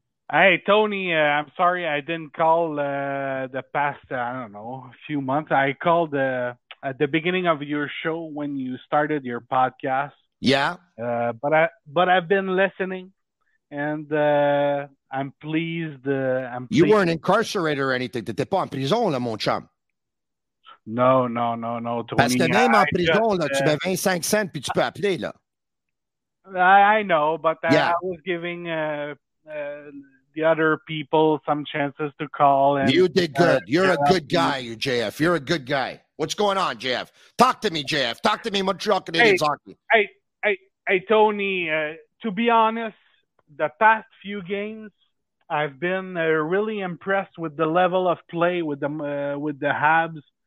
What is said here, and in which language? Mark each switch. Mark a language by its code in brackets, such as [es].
[en] Hey, Tony, I'm sorry I didn't call the past, few months. I called at the beginning of your show when you started your podcast. Yeah. But I've been listening. And I'm pleased. You weren't incarcerated or anything. [fr] T'étais pas en prison, là, mon chum. [en] No, Tony. [fr] Parce que même en prison, là, tu mets 25 cents puis tu peux appeler, là. [en] I know, but yeah. I was giving the other people some chances to call. And, you did good. You're a good guy, JF. You're a good guy. What's going on, JF? Talk to me, JF. Talk to me, Montreal Canadiens hockey. Hey, Tony, to be honest, the past few games, I've been really impressed with the level of play with the Habs.